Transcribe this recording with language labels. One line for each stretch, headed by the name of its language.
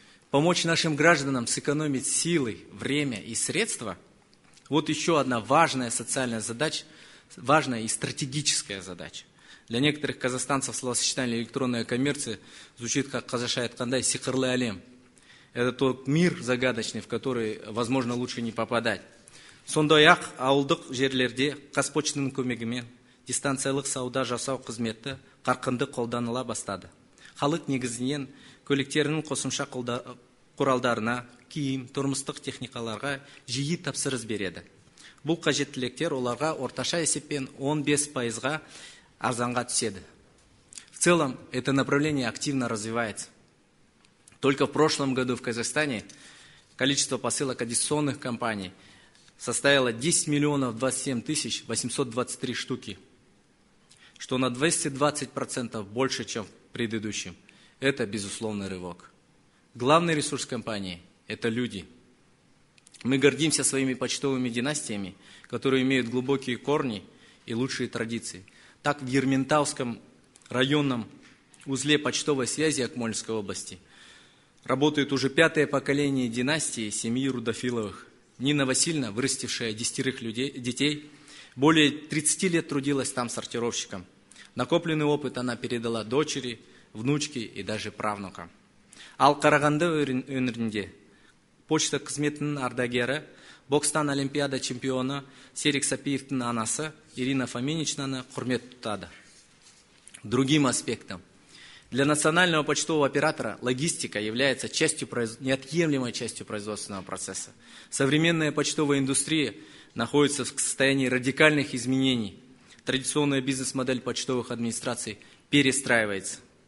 Russian: Помочь нашим гражданам сэкономить силы, время и средства – вот еще одна важная социальная задача, важная и стратегическая задача. Для некоторых казахстанцев словосочетание «электронная коммерция» звучит как казашает кандай «сихрлый алем». Это тот мир загадочный, в который, возможно, лучше не попадать.
Kazakh: Сондай-ақ ауылдық жерлерде қазпочтының көмегімен дистанциялық сауда жасау қызметі қарқынды қолданыла бастады. Халық негізінен көліктерінің қосымша құралдарына, киім, тұрмыстық техникаларға жиі тапсырыс береді. Бұл қажеттіліктер оларға орташа есеппен 15%-ға арзанға түседі.
Russian: В целом, это направление активно развивается. Только в прошлом году в Казахстане количество посылок аддиционных компаний составило 10 027 823 штуки, что на 220% больше, чем в предыдущем. Это безусловный рывок. Главный ресурс компании – это люди. Мы гордимся своими почтовыми династиями, которые имеют глубокие корни и лучшие традиции. Так, в Ерментауском районном узле почтовой связи Акмолинской области работает уже пятое поколение династии семьи Рудофиловых. Нина Васильевна, вырастившая 10 людей, детей, более 30 лет трудилась там сортировщиком. Накопленный опыт она передала дочери, внучке и даже правнукам.
Kazakh: Ал Караганды өңірінде почта қызметінің ардагері, бокстан олимпиада чемпионы Серик Сапиевтің анасы Ирина Фоминичнаны құрмет тұтады.
Russian: Другим аспектом. Для национального почтового оператора логистика является неотъемлемой частью производственного процесса. Современная почтовая индустрия находится в состоянии радикальных изменений. Традиционная бизнес-модель почтовых администраций перестраивается.